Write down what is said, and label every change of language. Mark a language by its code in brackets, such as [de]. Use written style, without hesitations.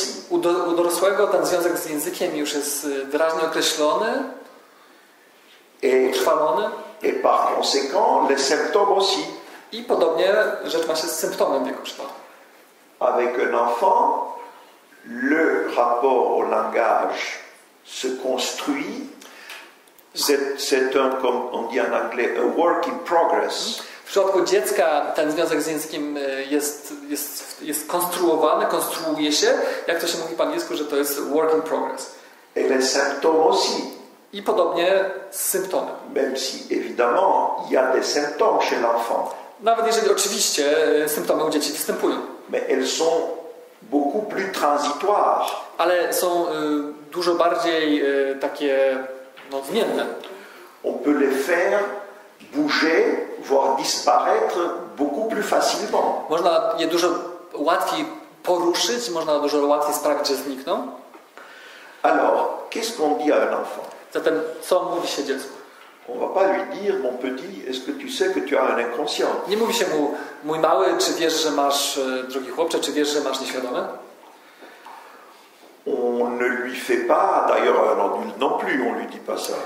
[pl] U dorosłego ten związek z językiem już jest wyraźnie określony, utrwalony. [fr] Et par conséquent, les symptômes aussi. [pl] I podobnie rzecz ma się z symptomem w jego przypadku. [fr] Avec un enfant, le rapport au langage se construit. C'est un, comme on dit en anglais, [en] a work in progress. [pl] W przypadku dziecka ten związek z językiem jest konstruowany, konstruuje się, jak to się mówi po angielsku, że to jest [en] work in progress. [fr] Et les symptômes aussi. [pl] I podobnie z symptomem. [fr] Même si, évidemment, il y a des symptômes chez l'enfant. [pl] Nawet jeżeli oczywiście symptomy u dzieci występują. [fr] Mais elles sont beaucoup plus transitoires. [pl] Ale są dużo bardziej takie zmienne. [fr] On peut les faire bouger, voire disparaître beaucoup plus facilement. [pl] Można je dużo łatwiej poruszyć, można dużo łatwiej sprawić, że znikną. [fr] Alors, qu'est-ce qu'on dit à un enfant? [pl] Zatem, co mówi się dziecku? [fr] On va pas lui dire, mon petit, est-ce que tu sais que tu as un inconscient? [pl] Nie mówi się mu, mój mały, czy wiesz, że masz, drogi chłopcze, czy wiesz, że masz nieświadome? [fr] On ne lui fait pas, d'ailleurs un adulte non plus, on lui dit pas ça.